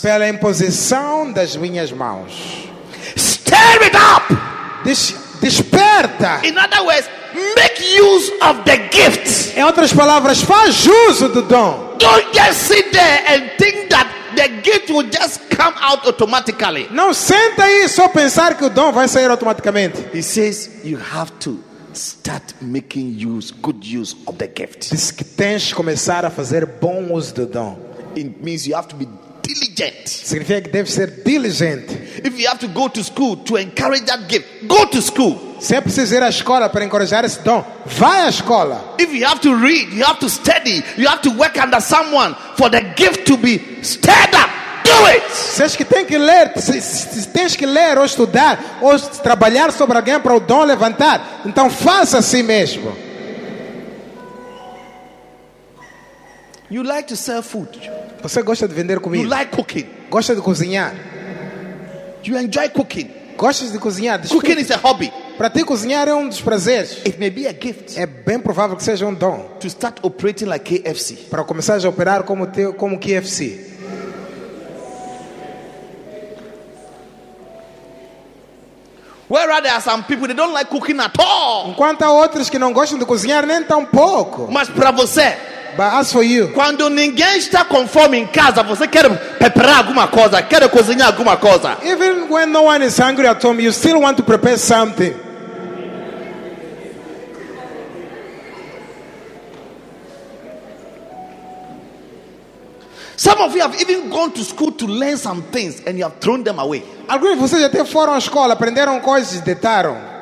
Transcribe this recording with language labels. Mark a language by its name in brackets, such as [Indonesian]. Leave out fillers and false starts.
[Portuguese] Pela imposição das minhas mãos. [English] Stir it up. [Portuguese] Desperta. [English] In other words, make use of the gift. [Portuguese] Em outras palavras, faz uso do dom. [English] Don't just sit there and think that the gift will just come out automatically. [Portuguese] Não senta aí só pensar que o dom vai sair automaticamente. [English] He says you have to start making use, good use of the gift. [Portuguese] Diz que tens que começar a fazer bom uso do dom. [English] It means you have to be diligent. [Portuguese] Significa que deve ser diligente. [English] If you have to go to school to encourage that gift, go to school. [Portuguese] Se é preciso ir à escola para encorajar esse dom, vai à escola. [English] If you have to read, you have to study, you have to work under someone for the gift to be stirred up. Do it. [Portuguese] Se é que tem que ler, tens que ler ou estudar ou trabalhar sobre alguém para o dom levantar, então faça assim mesmo. [English] You like to sell food. [Portuguese] Você gosta de vender comida. [English] You like cooking. [Portuguese] Gosta de cozinhar. [English] You enjoy cooking. [Portuguese] Gostas de cozinhar. Desculpa. [English] Cooking is a hobby. [Portuguese] Para ti cozinhar é dos prazeres. [English] It may be a gift. [Portuguese] É bem provável que seja dom. [English] To start operating like KFC. [Portuguese] Para começar a operar como KFC. [English] Where are there some people that don't like cooking at all? [Portuguese] Enquanto há outros que não gostam de cozinhar nem tão pouco. Mas para você. [English] But as for you. [Portuguese] Quando ninguém está conforme em casa, você quer preparar alguma coisa, quer cozinhar alguma coisa. [English] Even when no one is hungry at home, you still want to prepare something. Some of you have even gone to school to learn some things and you have thrown them away. [Portuguese] Alguns de vocês até foram à escola, aprenderam coisas e deitaram.